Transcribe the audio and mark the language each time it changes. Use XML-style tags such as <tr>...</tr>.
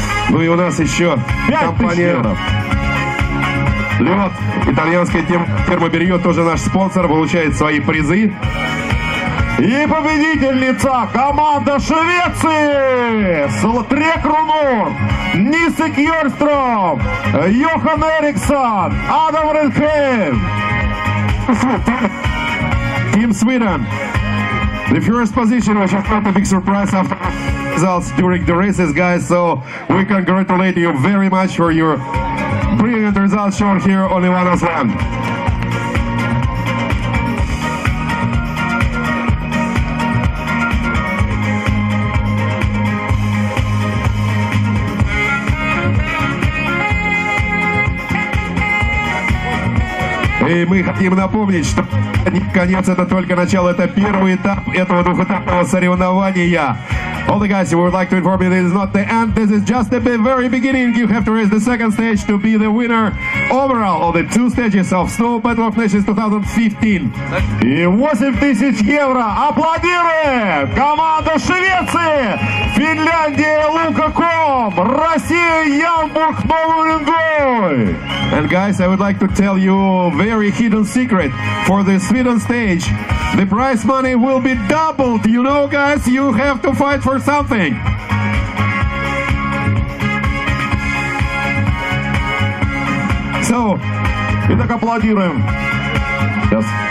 <ru>Ну и у нас еще компания «Лед», итальянская фирма «Берье», тоже наш спонсор, получает свои призы. И победительница — команда Швеции! Слотрек Рунур, Нисик Йорстром, Йохан Эриксон, Адам Ренхейм.</ru> <en>Team Sweden. The first position, which is not a big surprise after results during the races, guys. So we congratulate you very much for your brilliant results shown here on Ivano Slam.</en> <ru>И мы хотим напомнить, что конец — это только начало, это первый этап этого двухэтапного соревнования.</ru> <en>All the guys, we would like to inform you, this is not the end, this is just the very beginning. You have to race the second stage to be the winner overall of the two stages of Snow Battle of Nations 2015.</en> <ru>И 8000 евро! Аплодируем! Команда Швеции! Финляндия Лука.ком! Россия Ямбург Новый Уренгой!</ru> <en>And guys, I would like to tell you a very hidden secret. For the Sweden stage, the prize money will be doubled. You know, guys, you have to fight for something.</en> <ru>So, итак, аплодируем. Yes.</ru>